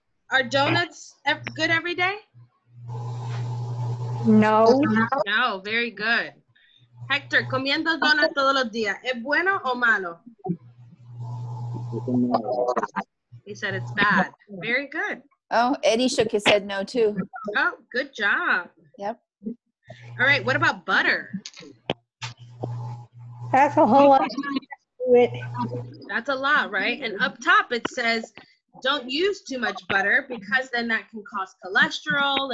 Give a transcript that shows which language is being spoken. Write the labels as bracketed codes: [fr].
[en] Are donuts good every day? No. No, very good. [es] Hector, comiendo donuts todos los días, ¿es bueno o malo? [en] He said it's bad. Very good. Oh, Eddie shook his head no too. Oh, good job. Yep. All right, what about butter? That's a whole lot. That's a lot, right? And up top it says, don't use too much butter because then that can cause cholesterol.